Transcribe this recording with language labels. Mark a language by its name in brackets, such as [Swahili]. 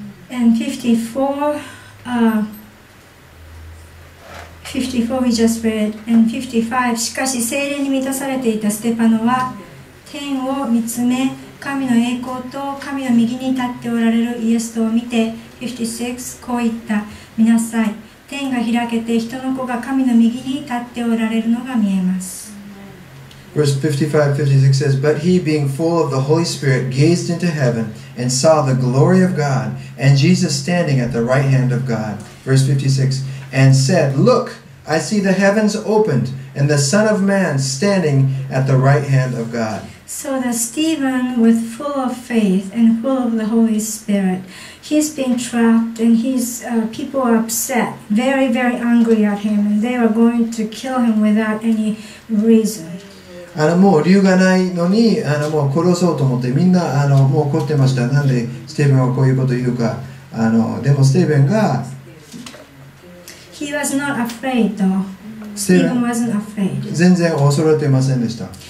[English] And 54 we just read and [Japanese] 55しかし聖霊に満たされていたステパノは天を見つめ神の栄光と神の右に立っておられるイエスとを見て56こう言った見なさい天が開けて人の子が神の右に立っておられるのが見えます [English] Verse 55-56 says But he being full of the Holy Spirit gazed into heaven and saw the glory of God and Jesus standing at the right hand of God Verse 56 And said Look I see the heavens opened and the Son of Man standing at the right hand of God So that Stephen was full of faith and full of the Holy Spirit. He's been trapped and his people are upset, very, very angry at him, and they are going to kill him without any reason. [Japanese] もう理由がないのに、もう殺そうと思って、みんな、もう怒ってました。なんでステーブンはこういうこと言うか。でもステーブンが。 [English] He was not afraid though. Stephen wasn't afraid. [Japanese] 全然恐れてませんでした。